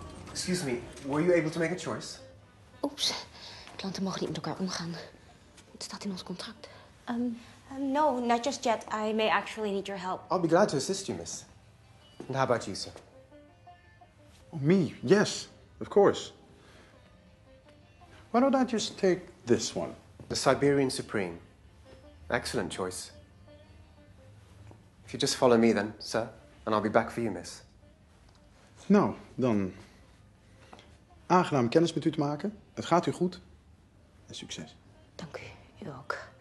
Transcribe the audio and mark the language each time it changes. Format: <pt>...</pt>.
<en>Excuse me, were you able to make a choice?</en> <nl>Oeps. Klanten mogen niet met elkaar omgaan. Het staat in ons contract.</nl> <en>No, not just yet. I may actually need your help. I'll be glad to assist you, miss. And how about you, sir? Oh, me? Yes. Of course. Why don't I just take this one? The Siberian Supreme. Excellent choice. If you just follow me then, sir, and I'll be back for you, miss.</en> <nl>Nou, dan. Aangenaam kennis met u te maken. Het gaat u goed. En succes. Dank u. U ook.</nl>